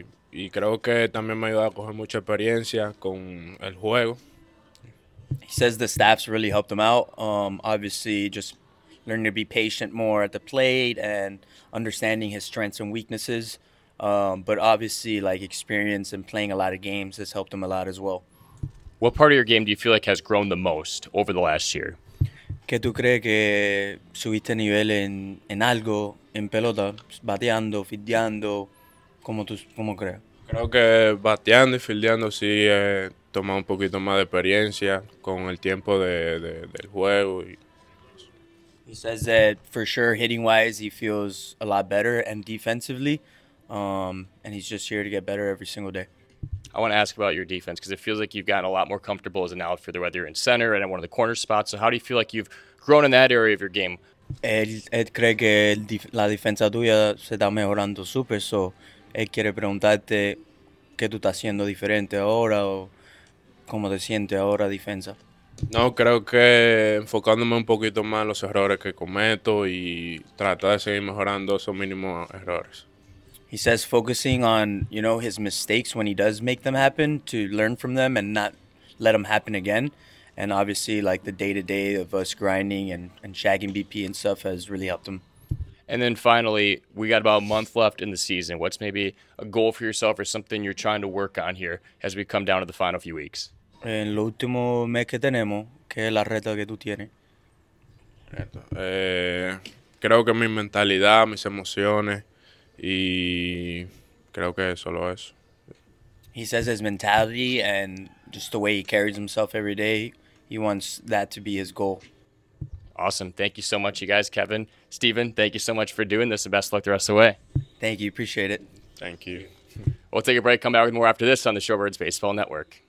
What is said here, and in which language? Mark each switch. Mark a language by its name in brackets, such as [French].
[Spanish] Y creo que también me ha ayudado a coger mucha experiencia con el juego. [English] He says the staff's really helped him out. Obviously, just learning to be patient more at the plate and understanding his strengths and weaknesses. But obviously, like, experience and playing a lot of games has helped him a lot as well. What part of your game do you feel like has grown the most over the last year? [Spanish] ¿Qué tú crees que subiste nivel en algo, en pelota, bateando, fildeando? ¿Cómo crees? Creo que bateando y fildeando sí he tomado un poquito más de experiencia con el tiempo del juego. [English] He says that for sure, hitting-wise, he feels a lot better and defensively. And he's just here to get better every single day. I want to ask about your defense because it feels like you've gotten a lot more comfortable as an outfielder, whether you're in center and at one of the corner spots. So how do you feel like you've grown in that area of your game? [Spanish] Él cree que la defensa tuya se está mejorando súper. So él quiere preguntarte qué tú estás haciendo diferente ahora o cómo te sientes ahora defensa. No, creo que enfocándome un poquito más en los errores que cometo y tratar de seguir mejorando esos mínimos errores. [English] He says focusing on, you know, his mistakes when he does make them happen to learn from them and not let them happen again. And obviously, like, the day-to-day of us grinding and shagging BP and stuff has really helped him. And then finally, we got about a month left in the season. What's maybe a goal for yourself or something you're trying to work on here as we come down to the final few weeks? [Spanish] En lo último mes que tenemos, ¿qué es la reta que tú tienes? Creo que mi mentalidad, mis emociones, y creo que solo eso. [English] He says his mentality and just the way he carries himself every day, he wants that to be his goal. Awesome. Thank you so much, you guys. Kevin, Steven, thank you so much for doing this, and best of luck the rest of the way. Thank you. Appreciate it. Thank you. We'll take a break. Come back with more after this on the Shortbirds Baseball Network.